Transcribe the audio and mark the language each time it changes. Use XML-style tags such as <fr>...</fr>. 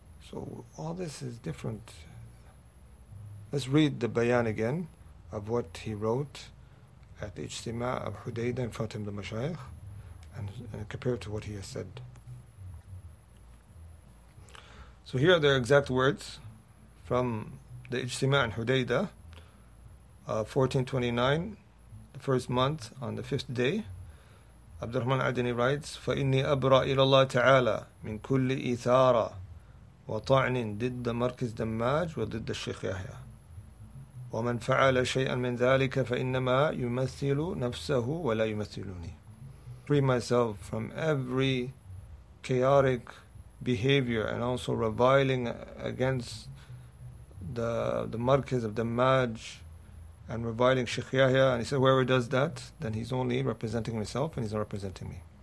<en>So all this is different. Let's read the bayan again of what he wrote at the ijtima' of Hudaydah in front of the Mashaykh and compare it to what he has said. So here are the exact words from the ijtima' in Hudaydah, 1429, the first month on the fifth day.</en> <ar>عبد الرحمن العدني writes, فإني أبرأ إلى الله تعالى من كل إثارة وطعن ضد مركز دماج وضد الشيخ يحيى ومن فعل شيئا من ذلك فإنما يمثل نفسه ولا يمثلني.</ar> <en>Free myself from every chaotic behavior and also reviling against the Markez of Dammaj and reviling Sheikh Yahya. And he said, whoever does that, then he's only representing himself and he's not representing me.</en>